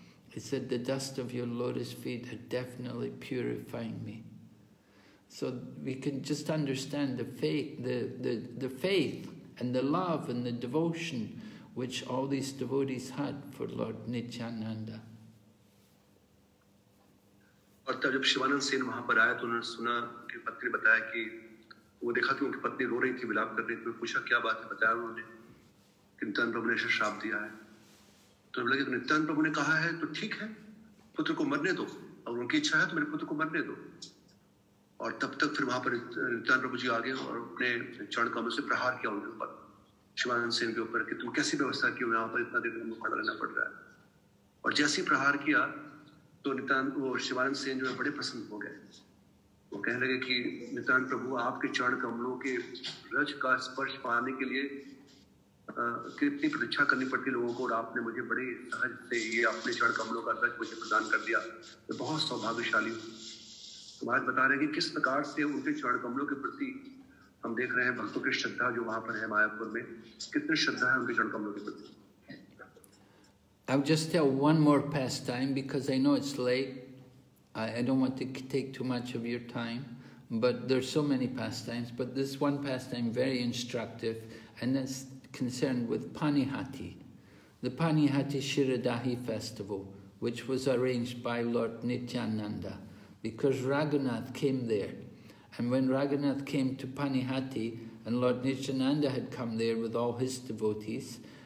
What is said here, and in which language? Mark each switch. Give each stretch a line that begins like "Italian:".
English: He said, "The dust of your lotus feet are definitely purifying me." So we can just understand the faith and the love and the devotion which all these devotees had for Lord Nityananda.
Hindi: और तब जब शिवानंद सेन वहां पर आया तो उन्होंने सुना कि पत्नी बताया कि वो देखा कि उनकी पत्नी रो रही थी विलाप कर रही थी पूछा क्या बात है बताया उन्होंने कि नित्यानंद प्रभु ने श्राप दिया है तो लगे तो नित्यानंद प्रभु ने कहा है तो ठीक है पुत्र को मरने दो अगर उनकी इच्छा है तो मेरे पुत्र को मरने दो और तब तक फिर वहां पर नित्यानंद प्रभु जी आ गए और अपने चरण कमलों से प्रहार किया उनके ऊपर शिवानंद सेन के ऊपर कि तुम कैसी व्यवस्था की यहाँ पर इतना देर हमको खड़ा रहना पड़ रहा है और जैसे ही प्रहार किया तो नितान वो शिवानंद सेन जो है बड़े प्रसन्न हो गए वो कहने लगे कि नितान प्रभु आपके चरण कमलों के रज का स्पर्श पाने के लिए कितनी प्रतीक्षा करनी पड़ती लोगों को और आपने मुझे बड़े सहज से ये अपने चरण कमलों का रज मुझे प्रदान कर दिया मैं बहुत सौभाग्यशाली हूँ महाराज बता रहे हैं कि किस प्रकार से उनके चरण कमलों के प्रति हम देख रहे हैं भक्तों की श्रद्धा जो वहाँ पर है मायापुर में कितनी श्रद्धा है उनके चरण कमलों के प्रति
English: I'll just tell one more pastime because I know it's late. I don't want to take too much of your time, but there's so many pastimes. But this one pastime very instructive, and that's concerned with Panihati, the Panihati Shiradahi festival, which was arranged by Lord Nityananda, because Raghunath came there, and when Raghunath came to Panihati, and Lord Nityananda had come there with all his devotees.